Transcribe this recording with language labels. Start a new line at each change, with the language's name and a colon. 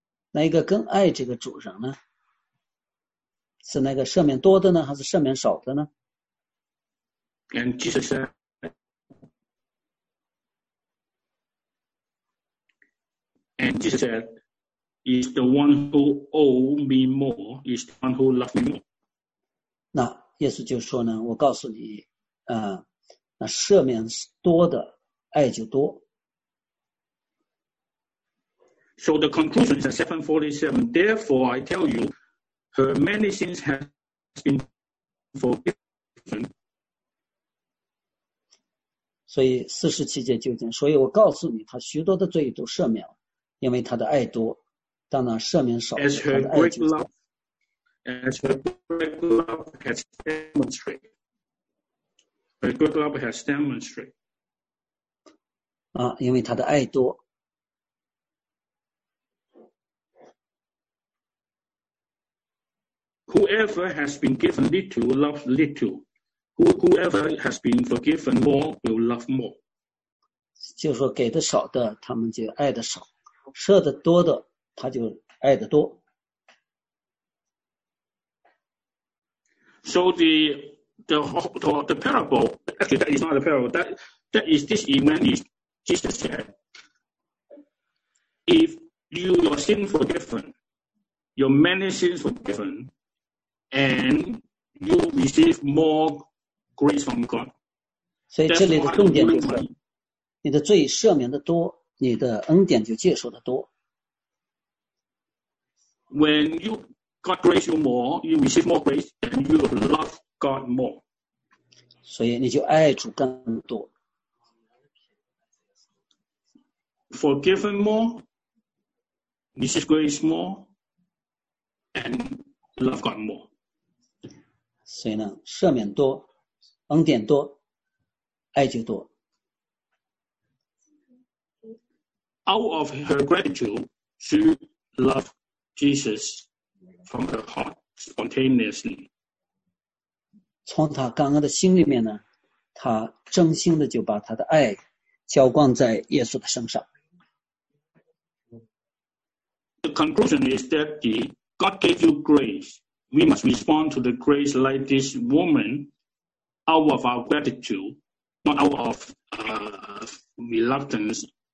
Chinese: 哪一个更爱这个主人呢？是那个赦免多的呢，还是赦免少的呢？
English: And Jesus said, and Jesus said, is the one who owe me more, is the one who loves me more.
Chinese: 那耶稣就说呢，我告诉你，那赦免多的爱就多。
English: So the conclusion is 747. Therefore, I tell you, her many sins have been forgiven.
Chinese: 所以四十七节就讲，所以我告诉你，她许多的罪都赦免了，因为她的爱多。但那赦免少，她的爱就多。
English: As her great love has demonstrated. Her good love has demonstrated.
Chinese: 啊，因为她的爱多。
English: Whoever has been given little loves little. Whoever has been forgiven more will love more.
Chinese: 就是说给的少的他们就爱的少，赦的多的他就爱的多。
English: So the parable, actually that is not a parable, that is this event is Jesus said. If you your sin forgiven, your many sins forgiven,And you receive more grace from God.
Chinese: 所以这里的重点就是，你的罪赦免的多，你的恩典就接受的多。
English: When you God grace you more, you receive more grace, and you love God more.
Chinese: 所以你就爱主更多。
English: Forgiven more, receive grace more, and love God more.
Chinese: 所以呢，赦免多，恩典多，爱就多。
English: Out of her gratitude, she loved Jesus from her heart spontaneously.
Chinese: 从她刚刚的心里面呢，她真心的就把她的爱浇灌在耶稣的身上。
English: The conclusion is that God gave you grace. We must respond to the grace like this woman out of our gratitude, not out of reluctance.